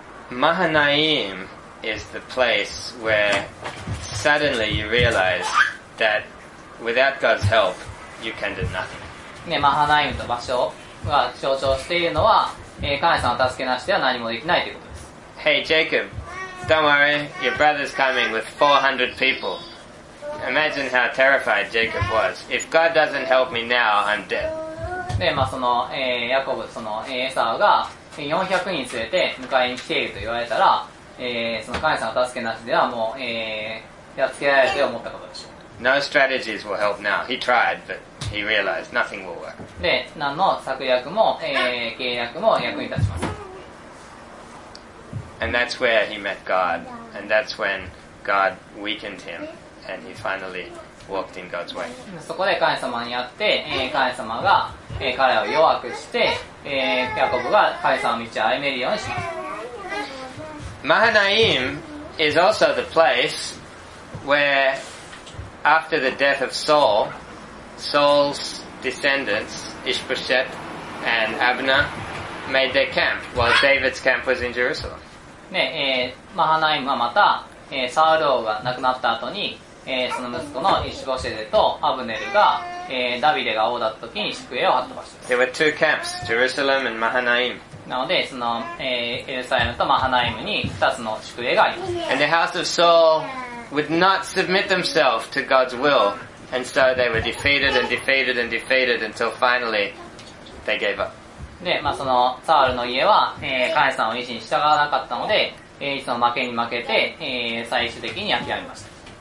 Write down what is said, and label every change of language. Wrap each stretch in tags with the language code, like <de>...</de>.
<en>Mahanaim is the place where suddenly you realize that without God's help, you can do nothing.</en> <ja>ね、マハナイムと場所が象徴しているのは、神様の助けなしでは何もできないということです。</ja> <en>Hey, Jacob. Don't worry, your brother's coming with 400 people. Imagine how terrified Jacob was. If God doesn't help me now, I'm dead.</en> <ja>で、まあ、その、ヤコブ、その、エサウが400人連れて迎えに来ていると言われたら、その神様の助けなしではもう、やっつけられると思ったことでしょう。</ja> <en>No strategies will help now. He tried, but he realized nothing will work.</en> <ja>で、何の策略も、契約も役に立ちません。</ja> <en>And that's where he met God. And that's when God weakened him. And he finally walked in God's way.</en> <ja>そこで神様に会って、神様が、彼を弱くして、ヤコブが神様の道を歩めるようにします。</ja> <en>Mahanaim is also the place where after the death of Saul, Saul's descendants, Ishbosheth and Abner, made their camp while David's camp was in Jerusalem.</en> <ja>ね、マハナイムはまた、サウル王が亡くなった後に、その息子のイシボシェゼとアブネルが、ダビデが王だった時に宿営を張った場所です。</ja> <en>There were two camps, Jerusalem and Mahanaim.</en> <ja>なので、その、エルサレムとマハナイムに2つの宿営があります。</ja> <en>And the house of Saul would not submit themselves to God's will, and so they were defeated and defeated and defeated until finally they gave up.</en> <ja>で、まあ、その、サウルの家は、神様の意志に従わなかったので、いつも負けに負けて、最終的に諦めました。</ja>